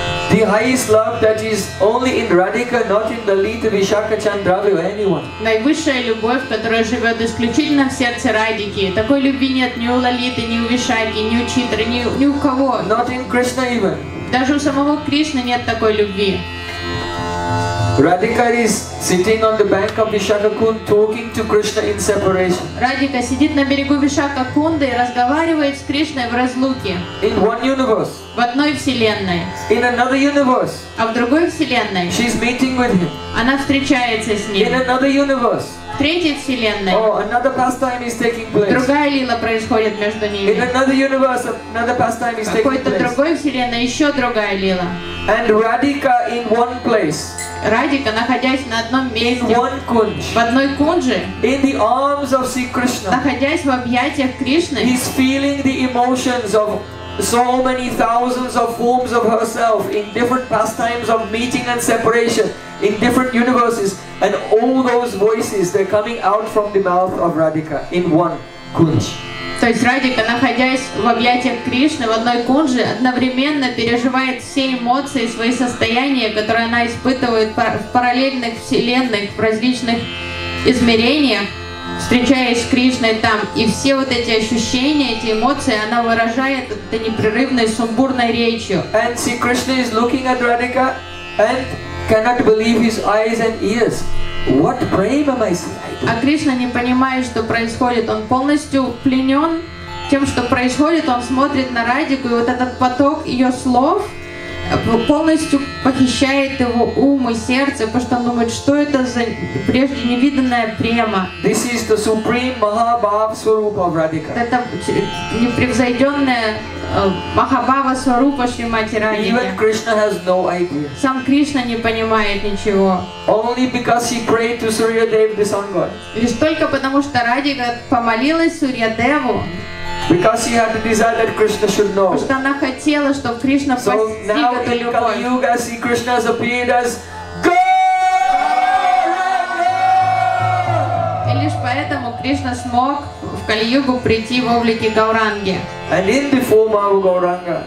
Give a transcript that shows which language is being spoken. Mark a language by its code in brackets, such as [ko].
[en] The highest love that is only in Radhika, not in Lalita, Vishakha, Chandravi or anyone. [ru] Наивысшая любовь, которая живет исключительно в сердце Радики. Такой любви нет ни у Лалиты, ни у Вишакхи, ни у Читры, ни у кого. [en] Not in Krishna even. [ru] Даже у самого Кришны нет такой любви. [en] Radhika is sitting on the bank of Vishakhakund talking to Krishna in separation. [ru] Radhika сидит на берегу Вишакхакунды и разговаривает с Кришной в разлуке. [en] In one universe. [ru] В одной вселенной. [en] In another universe. [ru] А в другой вселенной. [en] She's meeting with him. [ru] Она встречается с ним. [en] In another universe. [ru] В третьей вселенной. [en] Oh, another pastime is taking place. [ru] Другая лила происходит между ними. [en] In another universe, another pastime is taking place. [ru] В какой-то другой вселенной еще другая лила. [en] And Radhika in one place. [ru] Радика, находясь на одном месте, [en] in one kunj, [ru] в одной кунже, [en] in the arms of Sri Krishna, [ru] находясь в объятиях Кришны, [en] he's feeling the emotions of so many thousands of forms of herself in different pastimes of meeting and separation in different universes, and all those voices, they're coming out from the mouth of Radhika in one kunj. [ru] То есть Радика, находясь в объятиях Кришны, в одной кунже, одновременно переживает все эмоции, свои состояния, которые она испытывает в параллельных вселенных, в различных измерениях, встречаясь с Кришной там. И все вот эти ощущения, эти эмоции, она выражает этой непрерывной, сумбурной речью. [en] And see, Krishna is looking at Radhika and cannot believe his eyes and ears. What prema am I seeing? [ru] А Кришна, не понимая, что происходит, он полностью пленен тем, что происходит, он смотрит на Радику, и вот этот поток ее слов полностью похищает его ум и сердце, потому что он думает, что это за прежде невиданная према. [en] This is the supreme Mahabhava Swarupa of Radhika. [ru] Это непревзойденная Махабава Сварупа Шримати Радики. [en] Even Krishna has no idea. [ru] Сам Кришна не понимает ничего. [en] Only because he prayed to Surya Dev, the sun god. [ru] Лишь только потому, что Радика помолилась Сурья Деву. [en] Because she had the desire that Krishna should know. [ru] Потому что она хотела, чтобы Кришна постиг эту любовь. [en] So now in Kali-yuga, see Krishna has appeared as [ru] Gauranga. И лишь поэтому Кришна смог в Кали-югу прийти в облике Гауранги. [en] And in the form of Gauranga.